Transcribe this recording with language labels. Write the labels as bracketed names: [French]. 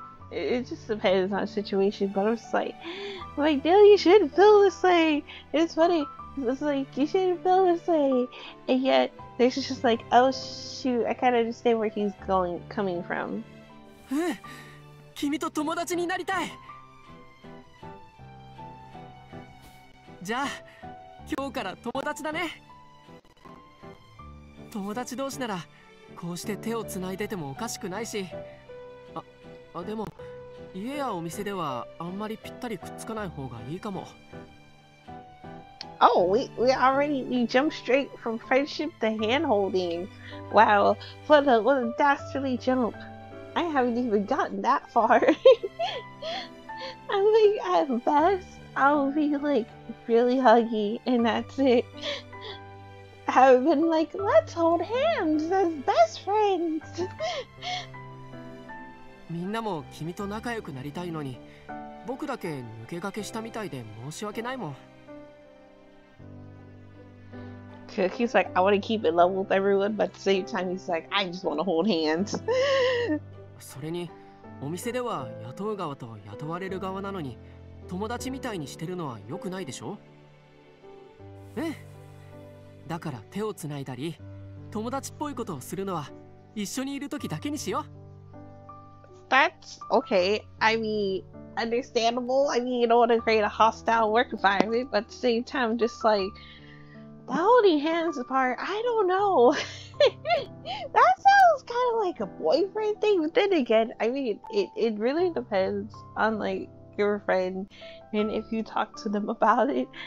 [English] It just depends on the situation, but I'm just like, Dill, you shouldn't feel this way. It's funny. It's like, you shouldn't feel this way. And yet, there's just like, oh shoot, I kind of understand where he's coming from. [Japanese] うん、君と友達になりたい。じゃあ、今日から友達だね。友達同士なら、こうして手をつないでてもおかしくないし。あ、でも、家やお店ではあんまりぴったりくっつかない方がいいかも。 [English] Oh, we already jumped straight from friendship to handholding. Wow, what a dastardly jump. I haven't even gotten that far. I'm like, at best, I'll be like really huggy and that's it. I've been like, let's hold hands as best friends. [Japanese] みんなも君と仲良くなりたいのに、僕だけ抜け駆けしたみたいで申し訳ないもん。 [English] He's like, I want to keep it level with everyone, but at the same time, he's like, I just want to hold hands. [Japanese] それに、お店では雇う側と雇われる側なのに、友達みたいにしてるのは良くないでしょ？うん。だから手をつないだり、友達っぽいことをするのは、一緒にいる時だけにしよう。 [English] That's okay. I mean, understandable. I mean, you don't want to create a hostile work environment, but at the same time, just like the holding hands part, I don't know. That sounds kind of like like a boyfriend thing, but then again, I mean, it really depends on like your friend and if you talk to them about it.